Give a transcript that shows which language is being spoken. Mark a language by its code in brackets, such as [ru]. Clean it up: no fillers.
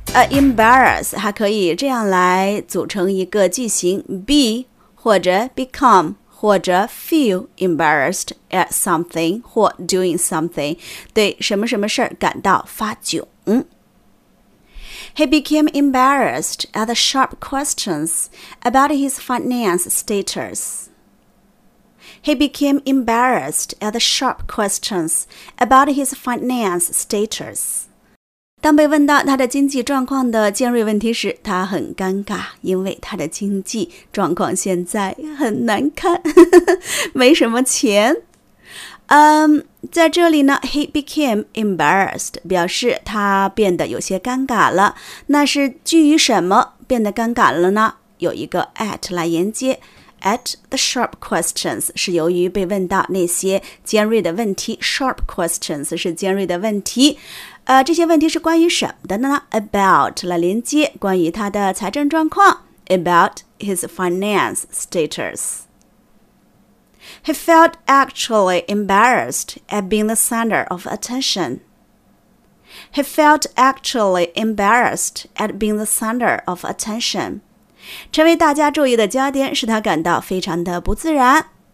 [zh] Embarrass 还可以这样来组成一个句型 be 或者 become 或者 [en] feel embarrassed at something [zh] 或 doing something 对什么什么事感到发窘。 [en] He became embarrassed at the sharp questions about his finance status. He became embarrassed at the sharp questions about his finance status. [zh] 当被问到他的经济状况的尖锐问题时，他很尴尬，因为他的经济状况现在很难看，呵呵，没什么钱。在这里呢 , [en] he became embarrassed, [zh] 表示他变得有些尴尬了。那是基于什么变得尴尬了呢？有一个 at 来连接。 [en] At the sharp questions [zh] 是由于被问到那些尖锐的问题 ,sharp questions 是尖锐的问题。这些问题是关于什么的呢 ?About 来连接关于他的财政状况 , [en] about his finance status. He felt actually embarrassed at being the center of attention. He felt actually embarrassed at being the center of attention. [zh] 成为大家注意的焦点使他感到非常的不自然。